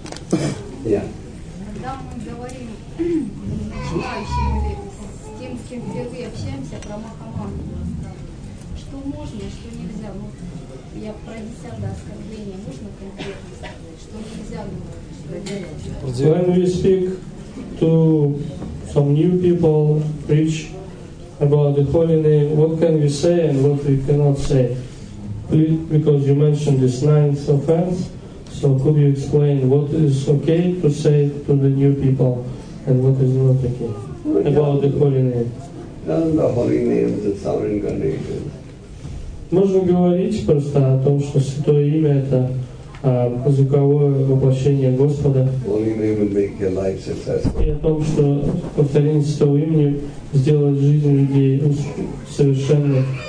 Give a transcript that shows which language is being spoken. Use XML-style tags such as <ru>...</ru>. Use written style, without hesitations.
<ru>Когда мы говорим с желающим или с тем, с кем впервые общаемся, про Махамантру, что можно, что нельзя? Ну, я про десятое оскорбление, можно конкретно сказать, что нельзя?</ru> <en>When we speak to some new people, preach about the holy name, what can we say and what we cannot say? Please, because you mentioned this ninth offense, so could you explain what is okay to say to the new people and what is not okay about the holy name? The holy name is a sovereign condition.</en> <ru>Можно говорить просто о том, что святое имя это звуковое воплощение Господа.</ru> <en>Holy name would make your life successful.</en> <ru>И о том, что повторение святого имени сделать жизнь людей совершенной.</ru>